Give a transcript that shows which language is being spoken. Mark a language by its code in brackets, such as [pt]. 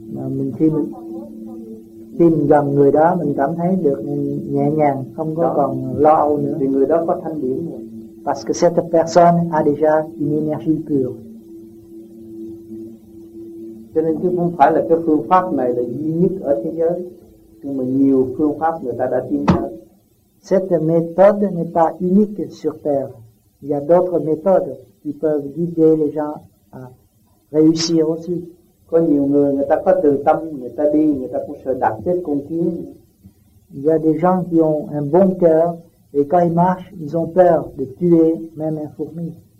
[vi] Mình khi mình tìm gần người đó, mình cảm thấy được nhẹ nhàng, không có còn lo âu nữa. Vì người đó có thanh điển rồi. [fr] Parce que cette personne a déjà une énergie pure. [vi] Cho nên chứ không phải là cái phương pháp này là duy nhất ở thế giới. Nhưng mà nhiều phương pháp người ta đã tin ra. [fr] Cette méthode n'est pas unique sur Terre. Il y a d'autres méthodes qui peuvent guider les gens à réussir aussi. [vi] Có nhiều người người ta có từ tâm, người ta đi, người ta cũng sợ đạp chết con kiến. [fr] Il y a des gens qui ont un bon cœur et quand ils marchent, ils ont peur de tuer même un fourmi.